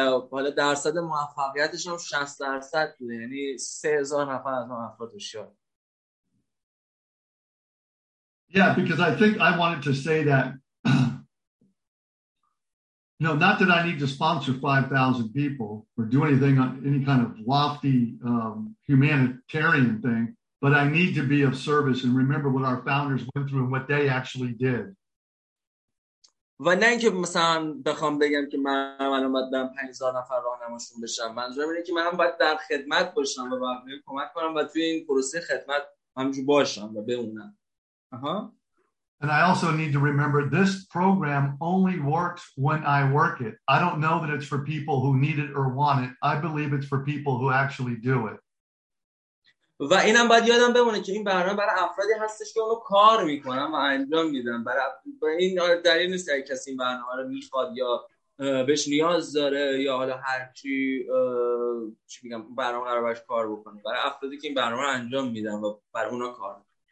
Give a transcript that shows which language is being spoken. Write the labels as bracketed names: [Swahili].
[Persian] حالا درصد موفقیتش هم 60% بوده، یعنی 3000 نفر از اون افراد هوشیار. [English] Yeah, because I think I wanted to say that, you know, not that I need to sponsor 5,000 people or do anything on any kind of lofty humanitarian thing, but I need to be of service and remember what our founders went through and what they actually did. [Persian] و نه این که مثلا بخوام بگم که من الان باید برم 5000 نفر راهنماشون بشم، منظورم اینه که من باید در خدمت باشم و باید کمک کنم و توی این پروسه خدمت همجور باشم و بمونم. [English] And I also need to remember this program only works when I work it. I don't know that it's for people who need it or want it. I believe it's for people who actually do it. [Persian] و اینم باید یادم بمونه که این برنامه برای افرادی هستش که اونو کار میکنن و انجام میدن. برای این دلیل نیست که کسی این برنامه رو میخواد یا بهش نیاز داره یا حالا هر چی چی میگم برنامه رو براش کار بکنه. برای افرادی که این برنامه رو انجام میدن و برای اونا کار میکنه.